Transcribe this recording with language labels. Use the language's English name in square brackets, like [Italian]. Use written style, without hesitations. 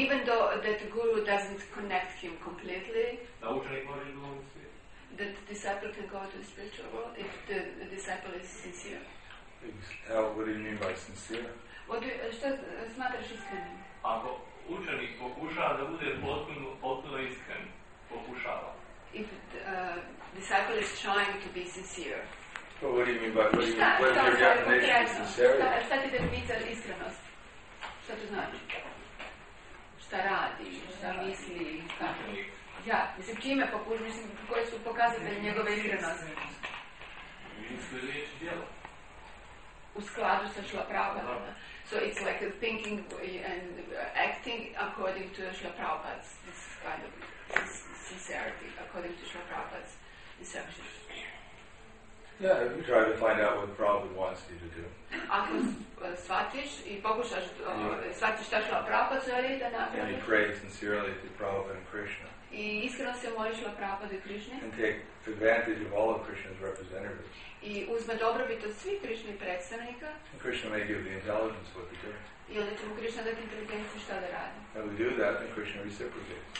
[English] even though that guru doesn't connect him completely, [Croatian] da učenik može u drugom svijetu? [English] That the disciple can go to the spiritual world if the disciple is sincere? What do you mean by sincere? [Croatian] Što smatraš iskrenim? Ako učenik pokušava da bude potpuno iskren, pokušava. [English] If the disciple is trying to be sincere. So what do you mean by what is your definition of sincerity? [Croatian] Šta ti definicija iskrenost? Šta to znači? Šta radi? Šta misli? Ja, mislim, čime pokušava, mislim, koje su pokazatelji njegove iskrenosti? Misli, riječ, djelo. U skladu sa Šila Prabhupadom. [English] So it's like a thinking and acting according to Srila Prabhupada's, this kind of sincerity, according to Srila Prabhupada's instructions. Yeah, if you try to find out what Prabhupada wants you to do. [Croatian] Ako shvatiš i pokušaš shvatiš šta Srila Prabhupada želi da napraviš. [English] And you pray sincerely to Prabhupada and Krishna. [Croatian] I iskreno se moliš Srila Prabhupada i Krishna. [English] And take advantage of all of Krishna's representatives. [Croatian] I uzme dobrobit od svih Krišnih predstavnika. [English] Krishna may give the intelligence what to do. [Croatian] I onda će mu Krišna dati inteligenciju šta da radi. [English] And we do that, then Krishna reciprocates.